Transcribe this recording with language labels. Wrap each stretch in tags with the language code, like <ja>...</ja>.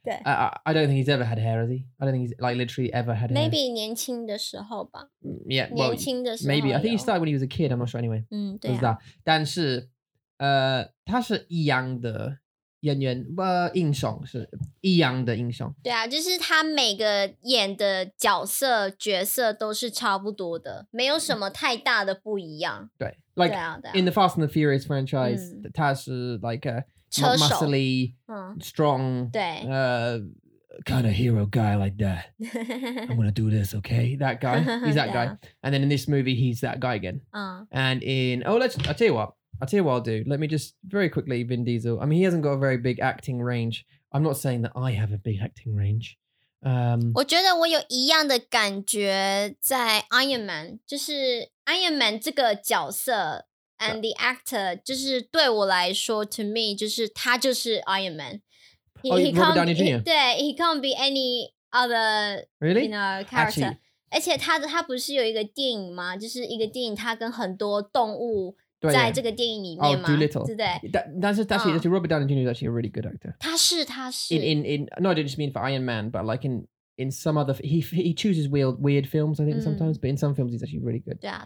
<en>I don't think he's ever had hair, has he? I don't think he's like literally ever had maybe hair. Maybe</en> <zh>年轻的时候吧.</zh> <en>Yeah, well,</en> <zh>年轻的时候</zh> <en>maybe. I think he started when he was a kid. I'm not sure anyway.</en> <zh>嗯，对啊。但是, 他是一样的演员, 英雄是一样的英雄. 对啊，就是他每个演的角色, 角色都是差不多的, 没有什么太大的不一样. 对,</zh> <en>like</en> <zh>对啊。</zh> <en>In the Fast and the Furious franchise,</en> <zh>他是</zh> <en>like a muscly, strong, kind of hero guy like that. I'm gonna do this, okay? That guy, he's that guy. And then in this movie, he's that guy again. And in, I'll tell you what I'll do. Let me just very quickly, Vin Diesel. I mean, he hasn't got a very big acting range. I'm not saying that I have a big acting range. I think I have the same feeling in Iron Man. Iron Man, this character. And the actor,</en> <zh>就是对我来说,</zh> <en>to me,</en> <zh>就是他就是</zh> <en>Iron Man. He can't be any other, really? You know, character. Actually,</en> <zh>而且他不是有一个电影吗?就是一个电影他跟很多动物在这个电影里面吗?</zh> <en>Oh, Doolittle.</en> <zh>对不对?</zh> <en>That's actually Robert Downey Jr. is actually a really good actor.</en> <zh>他是。</zh> <en>No, I didn't just mean for Iron Man, but like in some other, he chooses weird films, I think, sometimes, but in some films, he's actually really good.</en>